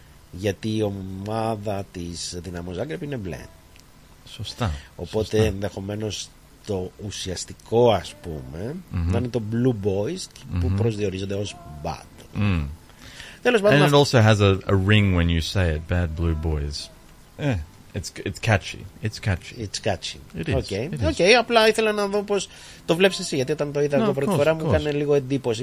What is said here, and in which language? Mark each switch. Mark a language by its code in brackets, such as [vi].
[el] Γιατί η ομάδα της Δυναμό Ζάγκρεπ είναι μπλε. Σωστά. Οπότε ενδεχομένως το ουσιαστικό, ας πούμε, να είναι το Blue Boys που προσδιορίζονται ως bad. Τέλος πάντων. [en] And it also has a ring when you say it, bad blue boys. It's catchy. It's catchy. It's catchy. It is. Okay. It is. Okay. [el] Απλά ήθελα να δω πώς το βλέπεις εσύ. Γιατί όταν το είδα εγώ πρώτη φορά μου έκανε λίγο εντύπωση.